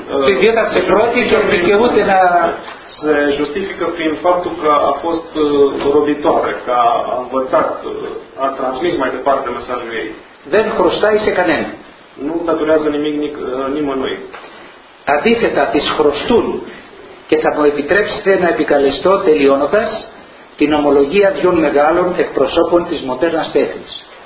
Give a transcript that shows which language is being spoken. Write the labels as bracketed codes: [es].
[el] Τη διέταξε πρώτη και δικαιούται να. [ro] Σε justifică prin faptul că a fost robitoare, că a învățat, a transmis mai departe mesajul ei. [el] Δεν χρωστάει σε κανένα. [ro] Nu datorează nimic nimănui. [el] Αντίθετα, τη χρωστούν. Και θα μου επιτρέψετε να επικαλεστώ τελειώνοντας την ομολογία δύο μεγάλων εκπροσώπων της μοντέρνας τέχνης.